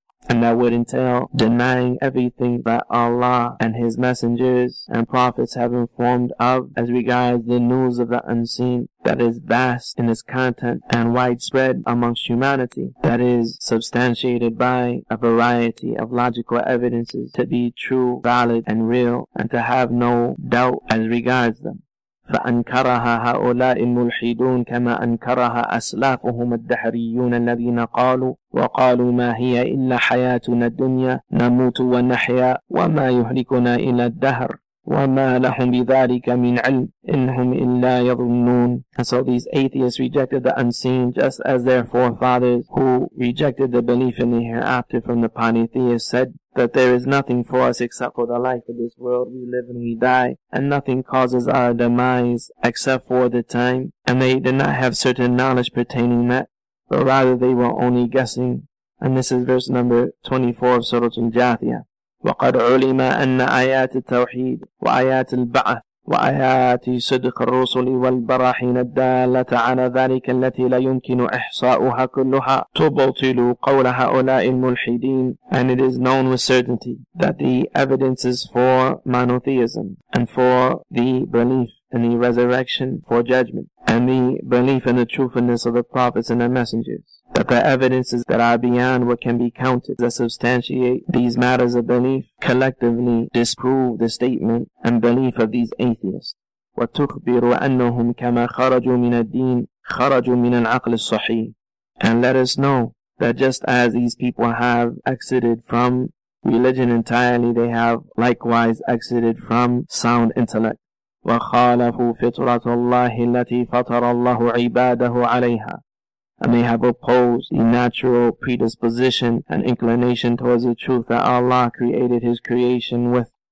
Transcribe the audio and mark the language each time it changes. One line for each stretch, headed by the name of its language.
English: And that would entail denying everything that Allah and His messengers and prophets have informed of as regards the news of the unseen that is vast in its content and widespread amongst humanity, that is substantiated by a variety of logical evidences to be true, valid, and real, and to have no doubt as regards them.
Arabic: فأنكرها هؤلاء الملحدون كما أنكرها أسلافهم الدهريون الذين قالوا وقالوا ما هي إلا حياتنا الدنيا نموت ونحيا وما يهلكنا إلا الدهر وما لهم بذلك من علم إنهم إلا يظنون.
English: And so these atheists rejected the unseen just as their forefathers who rejected the belief in the hereafter from the polytheists said that there is nothing for us except for the life of this world, we live and we die, and nothing causes our demise except for the time, and they did not have certain knowledge pertaining that, but rather they were only guessing. And this is verse number 24 of Surah Al-Jathiyah.
Arabic: وَقَدْ عُلِمَ أَنَّ آيَاتِ التَّوْحِيدِ وَآيَاتِ الْبَعَثِ وَآيَاتِ صِدْقِ الرُّسُلِ وَالْبَرَاحِينَ الدَّالَّةَ عَلَى ذَلِكَ الَّتِي لَا يُمْكِنُ إِحْصَاؤُهَا كُلُّهَا تُبْطِلُ قَوْلَ هَؤُلَاءِ الْمُلْحِدِينَ.
English: And it is known with certainty that the evidences for monotheism and for the belief in the resurrection for judgment and the belief in the truthfulness of the prophets and the messengers, that the evidences that are beyond what can be counted that substantiate these matters of belief collectively disprove the statement and belief of these atheists.
Arabic: وتخبر أنهم كما خرجوا من الدين خرجوا من العقل الصحيح.
English: And let us know that just as these people have exited from religion entirely, they have likewise exited from sound intellect.
Arabic: وَخَالَفُوا فِطْرَةَ اللَّهِ الَّتِي فَطَرَ اللَّهُ عِبَادَهُ عَلَيْهَا.
English: And they have opposed the natural predisposition and inclination towards the truth that Allah created His creation with.